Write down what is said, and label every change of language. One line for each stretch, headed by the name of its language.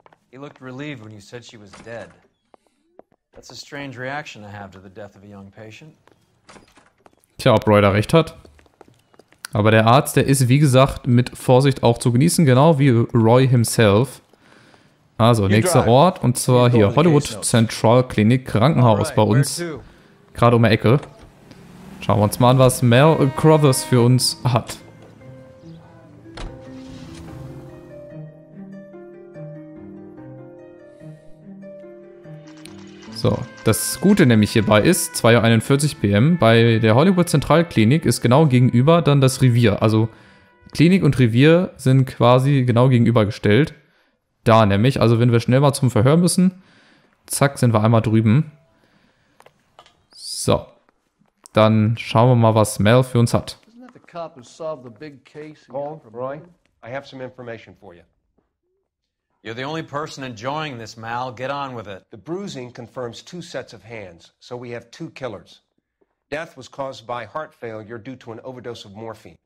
English: He looked relieved when you said she was dead. That's a strange reaction to have to the death of a young patient.
German: Tja, ob Roy da recht hat. Aber der Arzt, der ist wie gesagt mit Vorsicht auch zu genießen, genau wie Roy himself. Also, nächster Ort und zwar hier Hollywood-Zentralklinik, Krankenhaus bei uns. Gerade um die Ecke. Schauen wir uns mal an, was Mel Crothers für uns hat. So, das Gute nämlich hierbei ist, 2:41 PM, bei der Hollywood-Zentralklinik ist genau gegenüber dann das Revier. Also Klinik und Revier sind quasi genau gegenübergestellt. Da nämlich, also wenn wir schnell mal zum Verhör müssen, zack, sind wir einmal drüben. So. Dann schauen wir mal, was Mel für uns hat.
English: Cole, Roy, I have some information for you. You're the only person enjoying this, Mal. Get on with it. The bruising confirms two sets of hands, so we have two killers. Death was caused by heart failure due to an overdose of morphine.